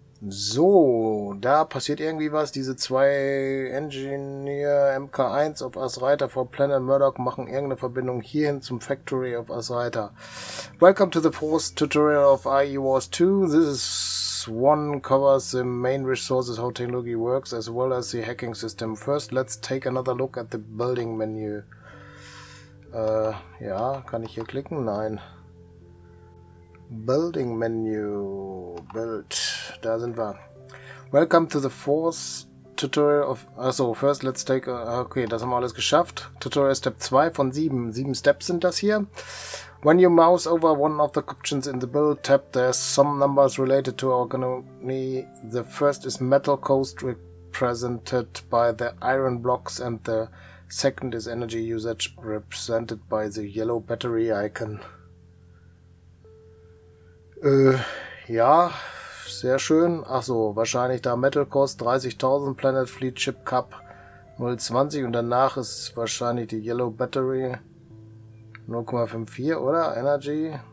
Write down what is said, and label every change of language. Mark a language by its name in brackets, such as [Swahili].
[German] So, da passiert irgendwie was. Diese zwei Engineer MK1 auf Ass Reiter vor Planet Murdoch machen irgendeine Verbindung hierhin zum Factory auf Ass Reiter. [English] Welcome to the fourth tutorial of AI Wars 2. This is one covers the main resources, how technology works, as well as the hacking system. First, let's take another look at the building menu. [German] Ja, kann ich hier klicken? Nein. [English] Building menu, build, [German] da sind wir. [English] Welcome to the fourth tutorial of, achso, first let's take, okay, [German] das haben wir alles geschafft. Tutorial Step 2 von 7, 7 Steps sind das hier. [English] When you mouse over one of the options in the build tab, there's some numbers related to our economy. The first is metal cost represented by the iron blocks and the second is energy usage represented by the yellow battery icon. [German] Ja, sehr schön. Ach so, wahrscheinlich da Metal Cost 30.000, Planet Fleet Chip Cup 020 und danach ist wahrscheinlich die Yellow Battery 0,54 oder Energy.